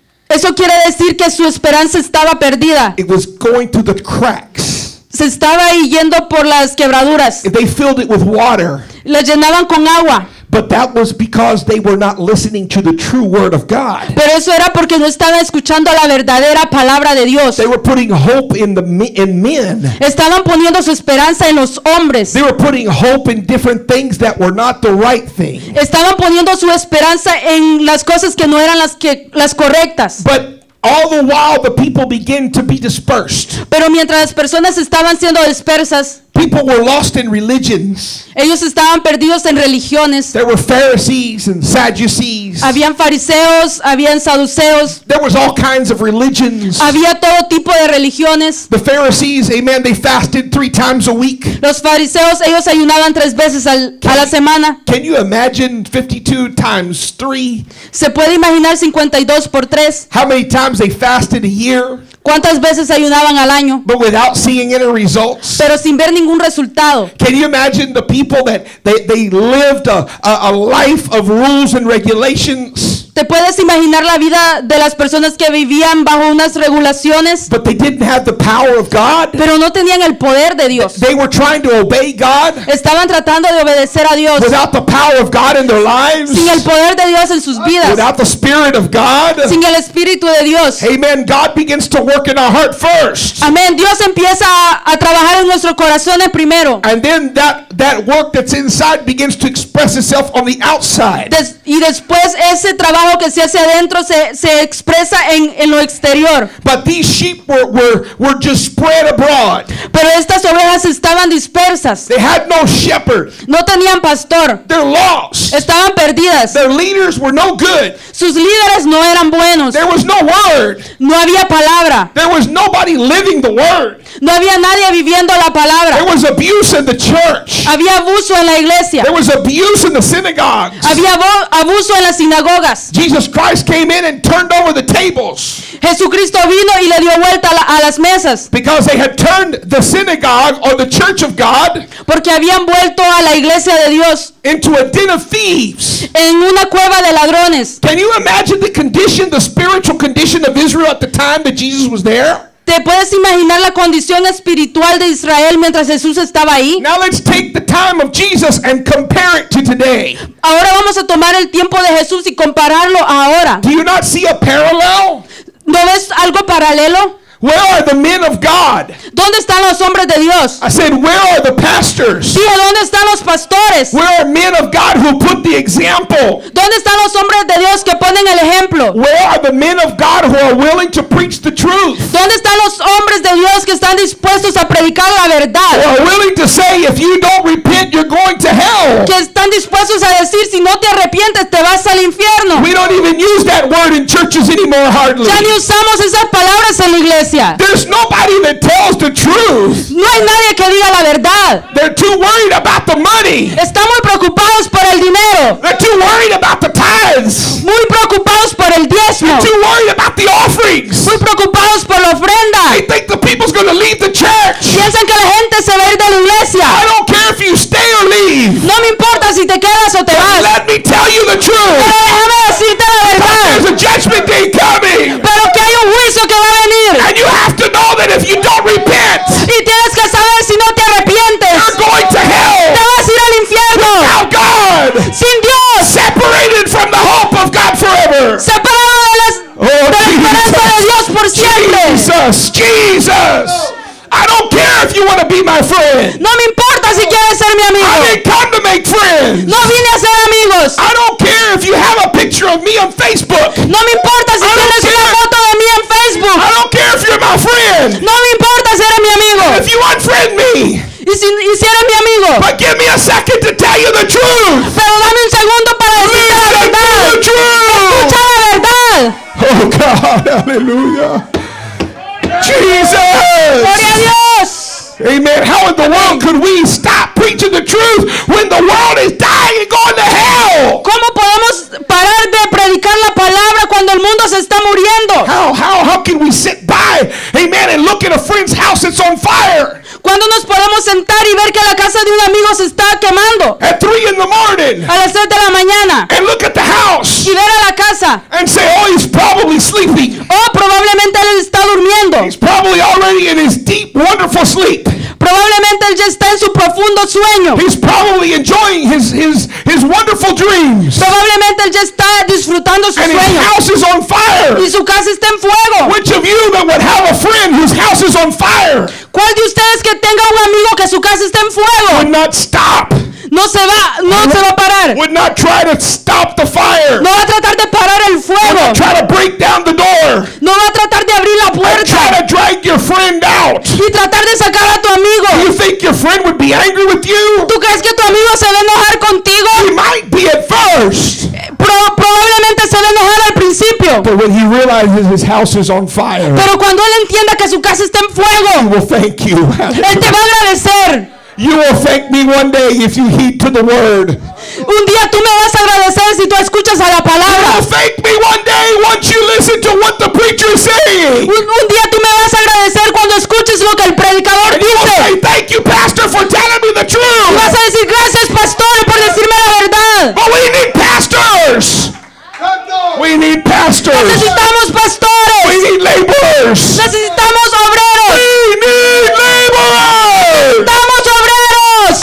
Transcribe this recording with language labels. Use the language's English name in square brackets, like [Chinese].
[Spanish] Eso quiere decir que su esperanza estaba perdida. [English] It was going through the cracks. [Spanish] Se estaba yendo por las quebraduras. [English] If they filled it with water. [Spanish] La llenaban con agua. [English] But that was because they were not listening to the true word of God. [Spanish] Pero eso era porque no estaban escuchando la verdadera palabra de Dios. [English] They were putting hope in men. [Spanish] Estaban poniendo su esperanza en los hombres. [English] They were putting hope in different things that were not the right thing. [Spanish] Estaban poniendo su esperanza en las cosas que no eran las correctas. [English] But all the while the people began to be dispersed. [Spanish] Pero mientras las personas estaban siendo dispersas. [English] People were lost in religions. [Spanish] Ellos estaban perdidos en religiones. [English] There were Pharisees and Sadducees. [Spanish] Habían fariseos, habían saduceos. [English] There was all kinds of religions. [Spanish] Había todo tipo de religiones. [English] The Pharisees, amen, they fasted 3 times a week. [Spanish] Los fariseos, ellos ayunaban 3 veces a la semana. [English] Can you imagine 52 times 3? [Spanish] ¿Se puede imaginar 52 por 3? [English] How many times they fasted a year? [Spanish] ¿Cuántas veces ayunaban al año? [English] But without seeing any results. [Spanish] Pero sin ver ningún resultado. [English] Can you imagine the people that they lived a life of rules and regulations? [Spanish] ¿Te puedes imaginar la vida de las personas que vivían bajo unas regulaciones? [English] But they didn't have the power of God. [Spanish] Pero no tenían el poder de Dios. [English] They were trying to obey God. [Spanish] Estaban tratando de obedecer a Dios. [English] Without the power of God in their lives. [Spanish] Sin el poder de Dios en sus vidas. [English] Without the Spirit of God. [Spanish] Sin el Espíritu de Dios. [English] Amen. God begins to work in our heart first. [Spanish] Amén. Dios empieza a trabajar en nuestros corazones primero. [English] And then that work that's inside begins to express itself on the outside. [Spanish] Y después ese trabajo que se hace adentro se expresa en lo exterior. [English] But these sheep were just spread abroad. [Spanish] Pero estas ovejas estaban dispersas. [English] They had no shepherd. [Spanish] No tenían pastor. [English] They're lost. [Spanish] Estaban perdidas. [English] Their leaders were no good. [Spanish] Sus líderes no eran buenos. [English] There was no word. [Spanish] No había palabra. [English] There was nobody living the word. [Spanish] No había nadie viviendo la palabra. [English] There was abuse in the church. [Spanish] Había abuso en la iglesia. [English] There was abuse in the synagogues. [Spanish] Había abuso en las sinagogas. [English] Jesus Christ came in and turned over the tables. [Spanish] Jesucristo vino y le dio vuelta a las mesas. [English] Because they had turned the synagogue or the church of God. [Spanish] Porque habían vuelto a la iglesia de Dios. [English] Into a den of thieves. [Spanish] En una cueva de ladrones. [English] Can you imagine the condition, the spiritual condition of Israel at the time that Jesus was there? [Spanish] ¿Te puedes imaginar la condición espiritual de Israel mientras Jesús estaba ahí? [English] Now let's take the time of Jesus and compare it to today. [Spanish] Ahora vamos a tomar el tiempo de Jesús y compararlo ahora. [English] Do you not see a parallel? [Spanish] ¿No ves algo paralelo? [English] Where are the men of God? [Spanish] ¿Dónde están los hombres de Dios? [English] I said, where are the pastors? [Spanish] Sí, ¿dónde están los pastores? [English] Where are men of God who put the example? [Spanish] ¿Dónde están los hombres de Dios que ponen el ejemplo? [English] Where are the men of God who are willing to preach the truth? [Spanish] ¿Dónde están los hombres de Dios que están dispuestos a predicar la verdad? [English] Who are willing to say, if you don't repent, you're going to hell? [Spanish] Que están dispuestos a decir, si no te arrepientes, te vas al infierno. [English] We don't even use that word in churches anymore, hardly. [Spanish] Ya ni usamos esas palabras en la iglesia. [English] There's nobody that tells the truth. [Spanish] No hay nadie que diga la verdad. [English] They're too worried about the money. [Spanish] Están muy preocupados por el dinero. [English] They're too worried about the tithes. [Spanish] Muy preocupados por el diezmo. [English] They're too worried about the offerings. [Spanish] Muy preocupados por la ofrenda. [English] They think the people's going to leave the church. [Spanish] Piensan que la gente se va a ir de la iglesia. [English] I don't care if you stay or leave. [Spanish] No me importa si te quedas o te vas. [English] Let me tell you the truth. [Spanish] Pero déjame decirte la verdad. [English] But there's a judgment day coming. [Spanish] Pero que hay un juicio que va a venir. [English] And you have to know that if you don't repent, [Spanish] y tienes que saber si no te arrepientes, [English] you're going to hell. [Spanish] Te vas a ir al infierno. [English] Without God. [Spanish] Sin Dios. [English] Separated from the hope of God forever. [Spanish] Separado de la esperanza de Dios por siempre. [English] Jesus, Jesus. I don't care if you want to be my friend. [Spanish] No me importa si quieres ser mi amigo. [English] I didn't come to make friends. [Spanish] No vine a ser amigos. [English] I don't care if you have a picture of me on Facebook. [Spanish] No me importa si tienes una foto de mí en Facebook. [English] I don't care if you're my friend. [Spanish] No me importa si eres mi amigo. [English] If you unfriend me. [Spanish] Y si eres mi amigo. [English] But give me a second to tell you the truth. [Spanish] Pero dame un segundo para decirte la verdad. Escucha la verdad. [English] Oh God, hallelujah. Jesus! [Spanish] Gloria a Dios! [English] Amen. How in the world could we stop preaching the truth when the world is dying and going to hell? [Spanish] ¿Cómo podemos parar de predicar la palabra cuando el mundo se está muriendo? [English] How can we sit by, amen, and look at a friend's house that's on fire? [Spanish] ¿Cuándo nos podemos sentar y ver que la casa de un amigo se está quemando? [English] At 3 a.m. [Spanish] A las 3 de la mañana. [English] And look at the house. [Spanish] Y ver a la casa. [English] And say, oh, he's probably sleeping. [Spanish] Oh, probablemente él está durmiendo. [English] He's probably already in his deep, wonderful sleep. [Spanish] Probablemente él ya está en su profundo sueño. [English] He's probably enjoying his wonderful dreams. [Spanish] Probablemente él ya está disfrutando su sueño. [English] And his house is on fire. [Spanish] Y su casa está en fuego. [English] Which of you that would have a friend whose house is on fire? [Spanish] ¿Cuál de ustedes que tenga un amigo que su casa está en fuego? [English] Would not stop. [Spanish] No se va a parar. [English] Would not try to stop the fire. [Spanish] No va a tratar de parar el fuego. [English] Would not try to break down the door. [Spanish] No va a tratar de abrir la puerta. [English] Try to drag your friend out. [Spanish] Y tratar de sacar a tu amigo. [English] You think your friend would be angry with you? [Spanish] ¿Tú crees que tu amigo se va a enojar contigo? [English] He might be at first. [Spanish] Probablemente se va a enojar al principio. [English] But when he realizes his house is on fire. [Spanish] Pero cuando él entienda que su casa está en fuego. [English] He will thank you. [Spanish] Él te va a agradecer. [English] You will thank me one day if you heed to the word. [Spanish] Un día tú me vas a agradecer si tú escuchas a la palabra. [English] You will thank me one day once you listen to what the preacher is saying. [Spanish] Un día tú me vas a agradecer cuando escuches lo que el predicador [English] and [Spanish] dice. [English] You will say, thank you, pastor, for telling me the truth. [Spanish] Y vas a decir gracias, pastor, por decirme la verdad. [English] But we need pastors. We need pastors. [Spanish] Necesitamos pastores. [English] We need laborers. [Spanish] Necesitamos obreros. [English] We need laborers. [Spanish] Necesitamos obreros.